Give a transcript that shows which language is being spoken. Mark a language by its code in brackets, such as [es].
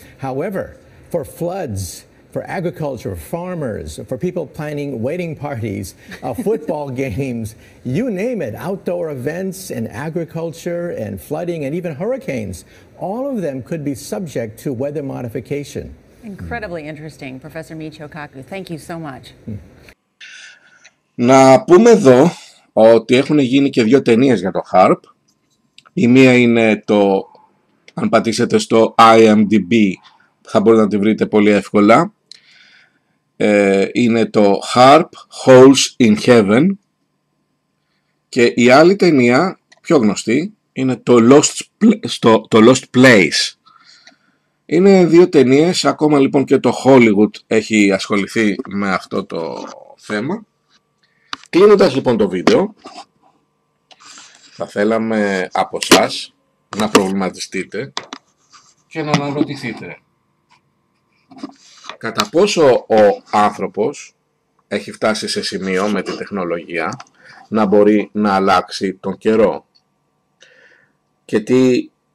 [en] However, for floods, for agriculture, farmers, for people planning wedding parties, football games, you name it, outdoor events and agriculture and flooding and even hurricanes, all of them could be subject to weather modification. Incredibly interesting. Professor Michio Kaku, thank you so much. [el] Να πούμε εδώ ότι έχουν γίνει και δύο ταινίες για το HARP. Η μία είναι το, αν πατήσετε στο IMDb, θα μπορείτε να τη βρείτε πολύ εύκολα. Είναι το HARP Holes in Heaven. Και η άλλη ταινία, πιο γνωστή, είναι το Lost Place. Είναι δύο ταινίες, ακόμα λοιπόν και το Hollywood έχει ασχοληθεί με αυτό το θέμα. Κλείνοντας λοιπόν το βίντεο, θα θέλαμε από σας να προβληματιστείτε και να αναρωτηθείτε κατά πόσο ο άνθρωπος έχει φτάσει σε σημείο με τη τεχνολογία να μπορεί να αλλάξει τον καιρό και τι